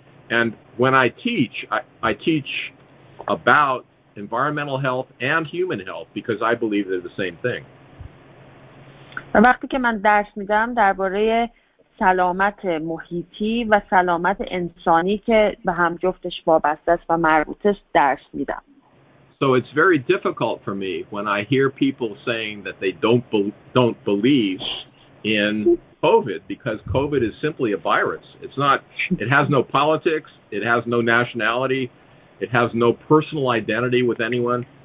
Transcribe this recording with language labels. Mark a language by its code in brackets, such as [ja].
[en] And when I teach, I teach about environmental health and human health because I believe they're the same thing. [fa] و وقتی که من درس می‌دم درباره سلامت محیطی و سلامت انسانی که به هم جفتش وابسته است و مربوط است درس می‌دم. [en] So it's very difficult for me when I hear people saying that they don't believe in COVID because COVID is simply a virus. It's not, it has no politics, it has no nationality, it has no personal identity with anyone.